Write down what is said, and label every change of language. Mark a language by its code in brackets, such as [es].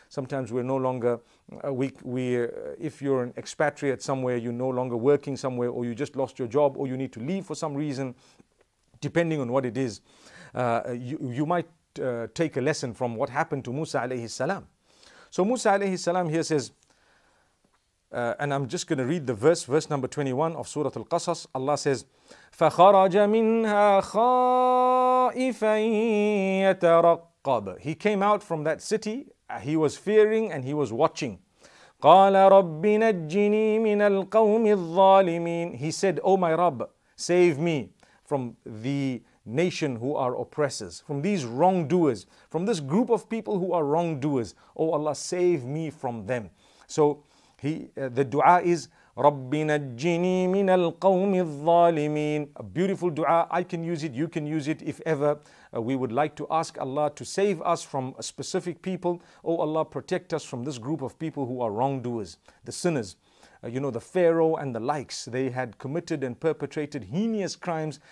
[en] Sometimes we're no longer, if you're an expatriate somewhere, you're no longer working somewhere, or you just lost your job, or you need to leave for some reason, depending on what it is. You might take a lesson from what happened to Musa alayhi salam. So Musa alayhi salam here says, and I'm just going to read the verse number 21 of Surah Al-Qasas. Allah says, [ar] فَخَرَجَ مِنْهَا خَائِفًا يَتَرَقَّبَ. [en] He came out from that city. He was fearing and he was watching. [ar] قَالَ رَبِّ نَجِّنِي مِنَ الْقَوْمِ الظَّالِمِينَ. [en] He said, oh my Rabb, save me from the nation who are oppressors, from these wrongdoers, from this group of people who are wrongdoers. Oh Allah, save me from them. So, the dua is [ar] رَبِّ نَجِّنِي مِنَ الْقَوْمِ الظَّالِمِينَ. [en] A beautiful dua. I can use it, you can use it. If ever we would like to ask Allah to save us from a specific people, oh Allah, protect us from this group of people who are wrongdoers, the sinners. You know, the Pharaoh and the likes, they had committed and perpetrated heinous crimes.